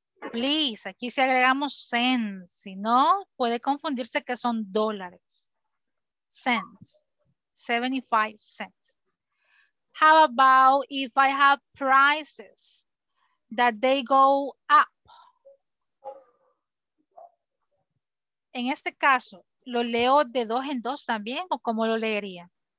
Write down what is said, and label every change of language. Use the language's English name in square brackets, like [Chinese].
[Spanish] Please, aquí si agregamos cents, si no, puede confundirse que son dólares. [English] Cents. 75 cents. How about if I have prices that they go up? [Spanish] En este caso, ¿lo leo de dos en dos también o cómo lo leería?